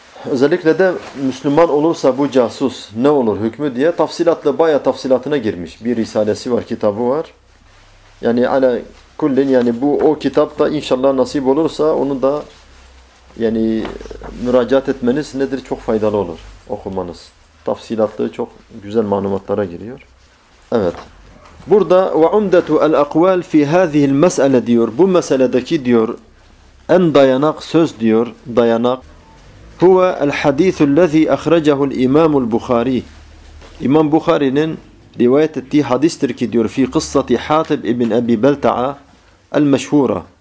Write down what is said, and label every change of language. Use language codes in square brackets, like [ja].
[tr] Özellikle de Müslüman olursa bu casus ne olur hükmü diye tafsilatlı, bayağı tafsilatına girmiş. Bir risalesi var, kitabı var. Yani ala kullin, yani bu o kitap da inşallah nasip olursa onu da yani müracaat etmeniz nedir, çok faydalı olur okumanız. Tafsilatlı, çok güzel malumatlara giriyor. Evet. Burada [ar] وَعُمْدَةُ الْاَقْوَالِ فِي هَذِهِ الْمَسْأَلَةِ diyor. [tr] Bu meseledeki diyor en dayanak söz diyor, dayanak [ar] هُوَ الْحَدِيثُ الَّذِي أَخْرَجَهُ الْاِمَامُ الْبُخَارِي. [tr] İmam Bukhari'nin rivayet ettiği hadistir ki diyor [ar] فِي قِصَّةِ حَاتِبْ اِبْنْ اَبِي بَلْتَعَى الْمَشْهُورَ.